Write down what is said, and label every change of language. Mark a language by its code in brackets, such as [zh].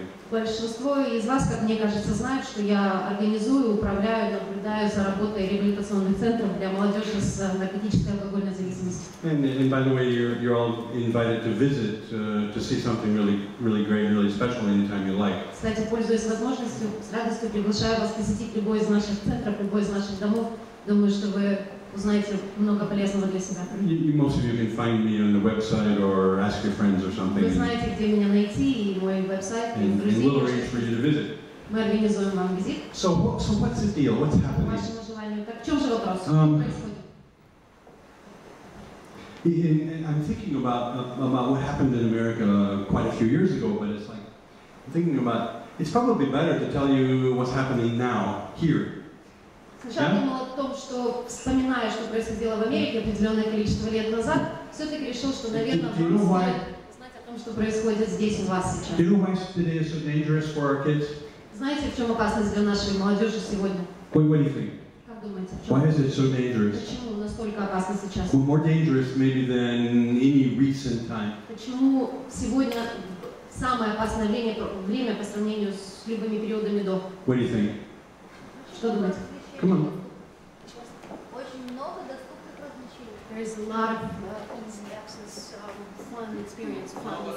[ru] Большинство из вас, как мне кажется, знают, что я организую, управляю, наблюдаю за работой реабилитационных центров для молодежи с наркотической и алкогольной зависимостью. [en] And by the way, you're all invited to visit to see something really, really great, really special anytime you like. [ru] Кстати, пользуясь возможностью, с радостью приглашаю вас посетить любой из наших центров, любой из наших домов. Думаю, что вы узнаете много полезного для себя. [en] You, most of you can find me on the website or ask your friends or something. [ru] Вы знаете, где меня найти, и мой веб-сайт, и друзья. [en] And we'll arrange for you to visit. [ru] Мы организуем вам визит. [en] So what's the deal? What's happening? [ru] Вашему желанию. Так в чем же вопрос? Что происходит? [en] I'm thinking about what happened in America quite a few years ago, but it's like, I'm thinking about, it's probably better to tell you what's happening now, here. [ru] Сначала думал о том, что, вспоминая, что происходило в Америке определенное количество лет назад, все-таки решил, что, наверное, стоит знать о том, что происходит здесь у вас сейчас. Знаете, в чем опасность для нашей молодежи сегодня? [en] What do you think? Why is it so dangerous? More dangerous maybe than any recent time. [ru] Почему сегодня самое опасное время по сравнению с любыми периодами до? [en] What do you think? [ru] Что думаете? [en] Come on. [ru] Очень много доступных развлечений. [en] There is a lot of easy access, fun experience, fun.